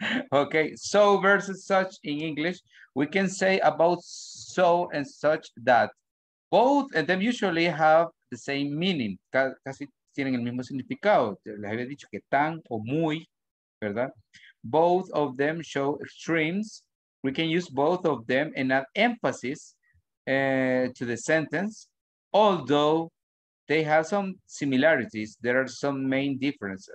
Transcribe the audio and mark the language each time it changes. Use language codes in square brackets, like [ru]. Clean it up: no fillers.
[en] Okay, so versus such in English, we can say about so and such that both of them usually have the same meaning. [es] Casi tienen el mismo significado. Les había dicho que tan o muy, ¿verdad? [en] Both of them show extremes. We can use both of them and add emphasis to the sentence. Although they have some similarities, there are some main differences.